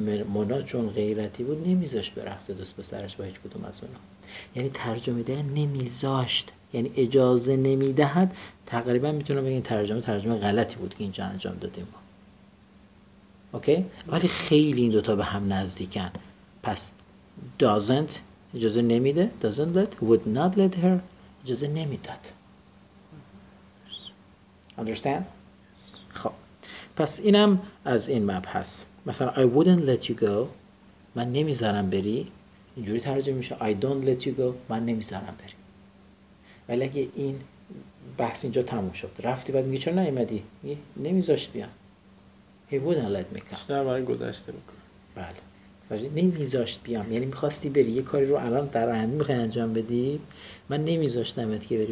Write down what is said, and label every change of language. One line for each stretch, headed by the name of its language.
Persian: مونا چون غیرتی بود نمیذاشت برخصه دوست به سرش با هیچ کدوم از اونا. یعنی ترجمه ده نمیذاشت، یعنی اجازه نمیدهد. تقریبا میتونم بگم ترجمه غلطی بود که اینجا انجام دادیم ما. اوکی؟ ولی خیلی این دوتا به هم نزدیکن. پس doesn't اجازه نمیده،
English: doesn't let، would not let her
Persian: اجازه نمیداد. understand؟ خب پس اینم از این مبحث. مثلا
English: I wouldn't let you go،
Persian: من نمیذارم بری، اینجوری ترجمه میشه.
English: I don't let you go،
Persian: من نمیذارم بری. ولی اگه این بحث اینجا تموم شد، رفتی بعد میگی چرا نیومدی؟ میگی نمیذاشت بیام.
English: He wouldn't let me come.
Persian: بیشتر برای گذشته میکنه. بله. فرضی نمیذاشت بیام. یعنی میخواستی بری یه کاری رو الان در آینده میخوای انجام بدی، من نمیذاشتمت که بری.